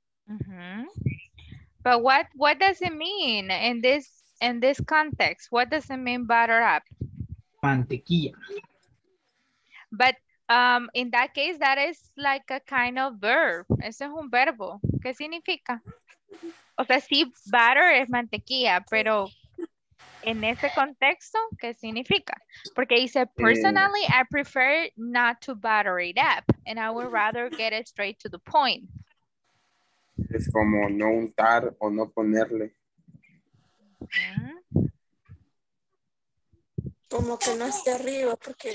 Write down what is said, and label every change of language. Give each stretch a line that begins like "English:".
English: Mm-hmm. But what does it mean in this context? What does it mean, butter up?
Spanish: Mantequilla.
English: But in that case, that is like a kind of verb.
Spanish: Eso es un verbo. ¿Qué significa? O sea, sí, butter es mantequilla, pero en ese contexto, ¿qué significa? Porque dice,
English: personally, I prefer not to butter it up, and I would rather get it straight to the point.
Spanish: Es como no untar o no ponerle. Como que no esté arriba, porque...